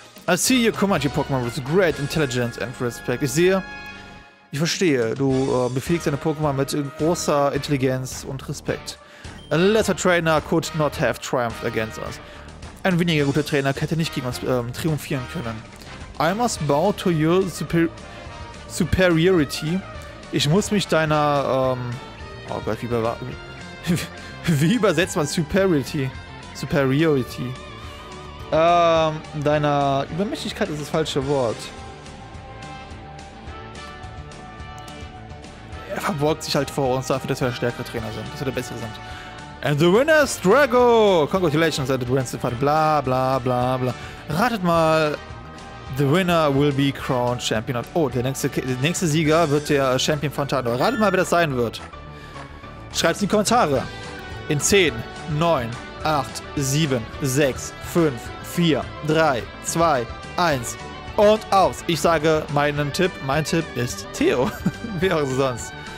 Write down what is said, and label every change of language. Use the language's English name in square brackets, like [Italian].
[English] I see you command your Pokémon with great intelligence and respect. [German] Ich verstehe. Du befähigst deine Pokémon mit großer Intelligenz und Respekt. [English] A lesser trainer could not have triumphed against us. [German] Ein weniger guter Trainer hätte nicht gegen uns triumphieren können. [English] I must bow to your superiority. [German] Ich muss mich deiner, oh Gott, wie übersetzt man Superiority? Superiority. Deiner Übermächtigkeit ist das falsche Wort. Er verbeugt sich halt vor uns dafür, dass wir der stärkere Trainer sind, dass wir der bessere sind. [English] And the winner is Drago! Congratulations, and the winner is the final. Bla bla bla bla. [German] Ratet mal, [English] the winner will be crowned champion of. [German] Oh, der nächste Sieger wird der Champion von Tarnow. Ratet mal, wer das sein wird. Schreibt's in die Kommentare. In 10, 9, 8, 7, 6, 5, 4, 3, 2, 1 und aus. Ich sage meinen Tipp. Mein Tipp ist Theo. Wie auch sonst.